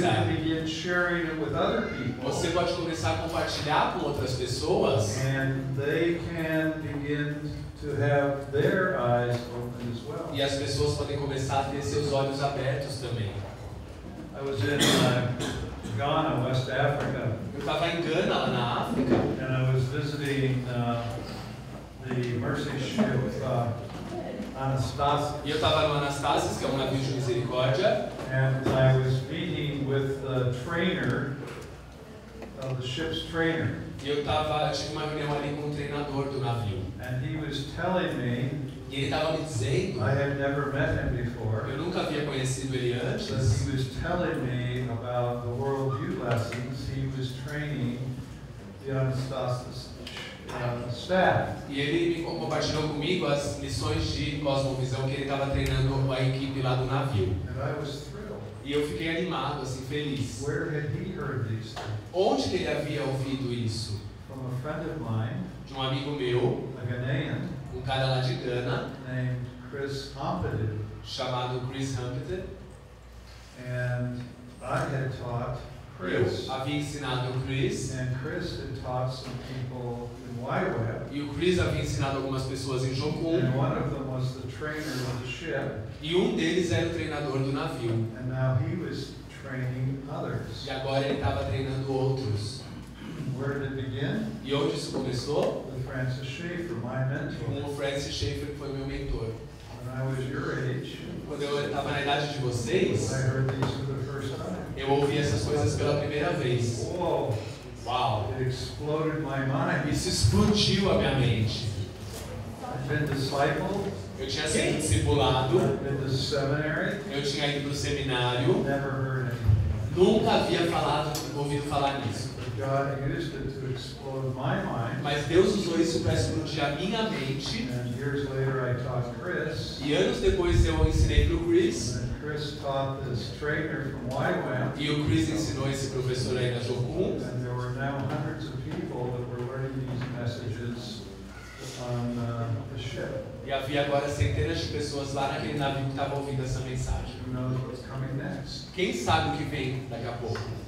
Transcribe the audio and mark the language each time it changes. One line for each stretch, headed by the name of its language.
English: you can begin sharing it with other people.
Portuguese: Você pode começar a compartilhar com outras pessoas.
English: And they can begin to have their eyes open as well.
Portuguese: E as pessoas podem começar a ter seus olhos abertos também.
English: I was in Ghana, West Africa.
Portuguese: Eu estava em Ghana, lá na África.
English: And I was visiting the Mercy Ship with Anastasis.
Portuguese: E eu estava no Anastasis, que é um navio de misericórdia.
English: And I was meeting with the trainer, the ship's trainer.
Portuguese: E eu tive uma reunião ali com o treinador do navio.
English: And he was telling me,
Portuguese: e ele estava me dizendo,
English: I had never met him before,
Portuguese: eu nunca havia conhecido ele antes.
English: He was telling me about the worldview lessons he was training the Anastasis staff.
Portuguese: E ele me compartilhou comigo as lições de cosmovisão que ele estava treinando a equipe lá do navio.
English: And I was thrilled.
Portuguese: E eu fiquei animado, assim, feliz.
English: Where had he heard these things?
Portuguese: Onde que ele havia ouvido isso?
English: From a friend of mine,
Portuguese: de um amigo meu,
English: a Ghanaian,
Portuguese: um cara lá de Ghana,
English: named Chris Humpeted,
Portuguese: chamado Chris Humpeted.
English: And I had taught Chris.
Portuguese: Eu havia ensinado o Chris.
English: And Chris had taught some people in YWAP.
Portuguese: E o Chris havia ensinado algumas pessoas em Jokun.
English: And one of them was the trainer of the ship.
Portuguese: E um deles era o treinador do navio.
English: And now he was training others.
Portuguese: E agora ele estava treinando outros.
English: Where did it begin?
Portuguese: E onde isso começou?
English: With Francis Schaeffer, my mentor.
Portuguese: Com o Francis Schaeffer, que foi meu mentor.
English: When I was your age,
Portuguese: quando eu estava na idade de vocês,
English: I heard these for the first time.
Portuguese: Eu ouvi essas coisas pela primeira vez.
English: Whoa. Wow. It exploded my mind.
Portuguese: Isso explodiu a minha mente.
English: I've been discipled.
Portuguese: Eu tinha sido discipulado.
English: In the seminary.
Portuguese: Eu tinha ido para o seminário.
English: Never heard anything.
Portuguese: Nunca havia falado, ouvido falar nisso.
English: God used it to explode my mind.
Portuguese: Mas Deus usou isso para explodir a minha mente.
English: And years later I taught Chris.
Portuguese: E anos depois eu ensinei para o Chris.
English: And Chris taught this trainer from YWAM.
Portuguese: E o Chris ensinou esse professor aí na Jokun.
English: And there were now hundreds of people that were learning these messages on the ship.
Portuguese: E havia agora centenas de pessoas lá naquele navio que estavam ouvindo essa mensagem.
English: Who knows what's coming next?
Portuguese: Quem sabe o que vem daqui a pouco?